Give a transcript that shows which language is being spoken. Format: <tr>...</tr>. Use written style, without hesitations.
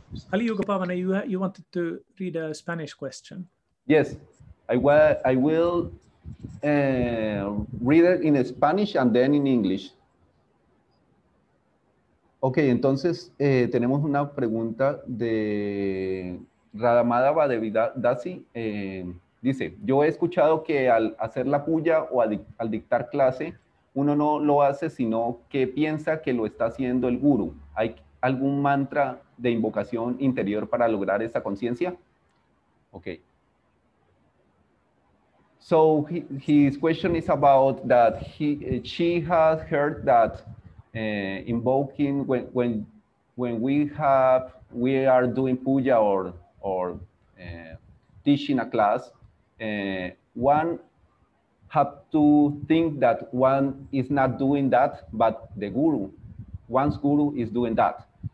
<en>Ali Yuga Pavana, you wanted to read a Spanish question. Yes, I will read it in Spanish and then in English.</en> <es>Ok, entonces tenemos una pregunta de Radamada Badevidasi. Dice, yo he escuchado que al hacer la puya o al dictar clase, uno no lo hace sino que piensa que lo está haciendo el guru. ¿Hay algún mantra de invocación interior para lograr esa conciencia? Ok.</es> <en>So his question is about that she has heard that invoking when we are doing puja or teaching a class, one have to think that one is not doing that, but the guru, one's guru is doing that.</en>